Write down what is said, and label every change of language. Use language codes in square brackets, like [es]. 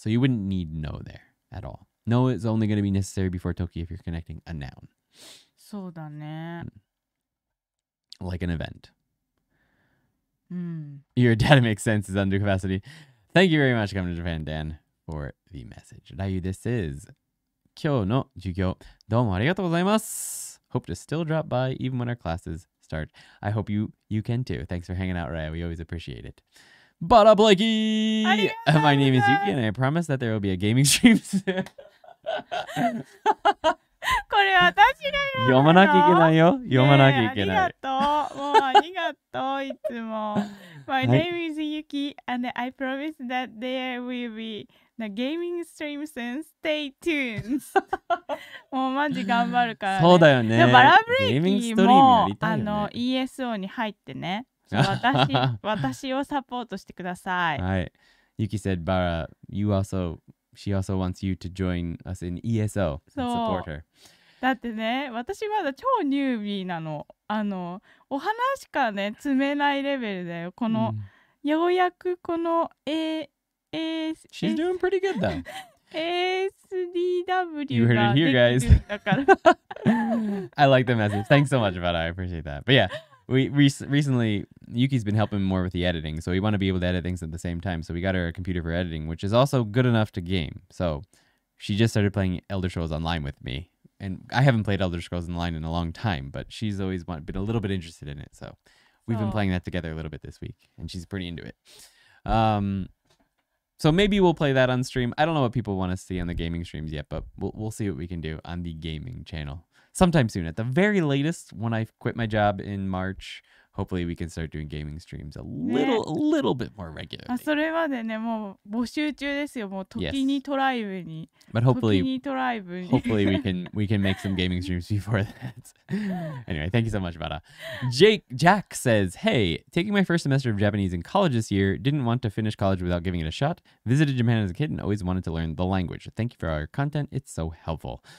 [en] So you wouldn't need no there at all. No is only going to be necessary before toki if you're connecting a noun. [ja] そうだね。 [en] Like an event. Mm. Your data makes sense is under capacity. Thank you very much for coming to Japan, Dan, for the message. Dayu, this is... [ja] 今日の授業、どうもありがとうございます。 [en] Hope to still drop by even when our classes start. I hope you can too. Thanks for hanging out, Raya. We always appreciate it. Bada Blakey! My name is Yuki and I promise that there will be a gaming stream soon. [ja] これ私が読むの？読まなきゃいけないよ。読まなきゃいけない。ありがとう。もうありがとう、いつも。 [en] My name is Yuki and I promise that there will beThe gaming stream soon. Stay tuned. [ja] もうマジ頑張るからね。そうだよね。バラブレイキーも、あの、ESO に入ってね。私をサポートしてください。はい。 [en] Yuki said, Bara, you also, she also wants you to join us in ESO and support her. [ja] だってね、私まだ超ニュービーなの。あの、お話しかね、詰めないレベルだよ。この、ようやくこの A [en] She's doing pretty good though. ASDW. You heard it here, guys. I like the message. Thanks so much, Vada. I appreciate that. But yeah, recently, Yuki's been helping more with the editing. So we want to be able to edit things at the same time. So we got her a computer for editing, which is also good enough to game. So she just started playing Elder Scrolls Online with me. And I haven't played Elder Scrolls Online in a long time, but she's always been a little bit interested in it. So we've been playing that together a little bit this week. And she's pretty into it. So maybe we'll play that on stream. I don't know what people want to see on the gaming streams yet, but we'll see what we can do on the gaming channel sometime soon. At the very latest, when I quit my job in March, hopefully we can start doing gaming streams a little bit more regularly. [ja] それまでね、もう募集中ですよ。もう時にトライブに。 [en] But hopefully we can make some gaming streams before that. Anyway, thank you so much, Bada. Jack says, Hey, taking my first semester of Japanese in college this year, didn't want to finish college without giving it a shot. Visited Japan as a kid and always wanted to learn the language. Thank you for all your content. It's so helpful.